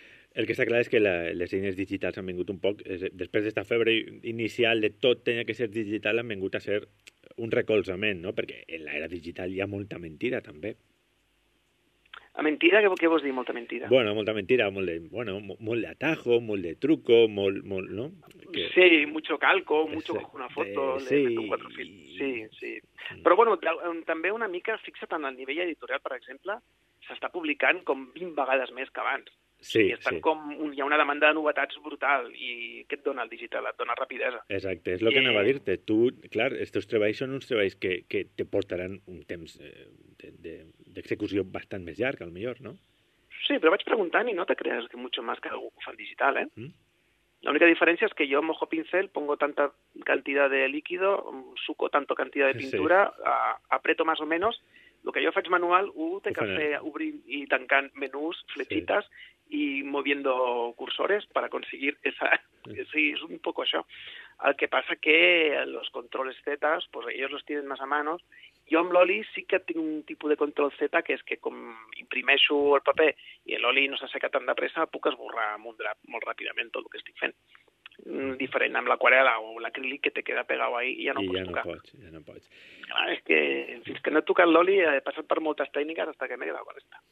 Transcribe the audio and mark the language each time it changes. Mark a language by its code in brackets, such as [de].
[ca] El que està clar és que les eines digitals han vingut un poc, després d'esta febre inicial de tot tenia que ser digital, han vingut a ser un recolzament, no? Perquè en l'era digital hi ha molta mentida, també. A mentida? Què vols dir, molta mentida? Bueno, molta mentida, molt de atajo, molt de truco, molt, no? Que... [es] Sí, mucho calco, mucho cojo una foto, sí. Le meto cuatro films. Sí, sí. [ca] Però, bueno, també una mica, fixa't en el nivell editorial, per exemple, s'està publicant com 20 vegades més que abans. Sí, i estan com, hi ha una demanda de novetats brutal, i què et dona el digital? Et dona rapidesa. Exacte, és el que anava a dir-te. Tu, clar, els teus treballs són uns treballs que te portaran un temps d'execució bastant més llarg, al millor, no? Sí, però vaig preguntant i no te creus que [es] mucho más [ca] que algú que fa el digital, eh? Mm. [es] La única diferencia es que yo mojo pincel, pongo tanta cantidad de líquido, suco tanto cantidad de pintura, apreto más o menos. Lo que yo faig manual, tengo que hacer obrir y tancar menús, flechitas, y moviendo cursores para conseguir esa... Sí, es un poco eso. El que pasa que los controles Z, pues ellos los tienen más a mano. [ca] Jo amb l'oli sí que tinc un tipus de control Z, que és que com imprimeixo el paper i l'oli no s'asseca tan de pressa, puc esborrar amb un drap molt ràpidament tot el que estic fent. Diferent amb l'aquarela o l'acrílic que te queda pegat ahí i ja no pots tocar. Ja no pots. Clar, és que fins que no he tocat l'oli he passat per moltes tècniques fins que m'he quedat amb aquesta.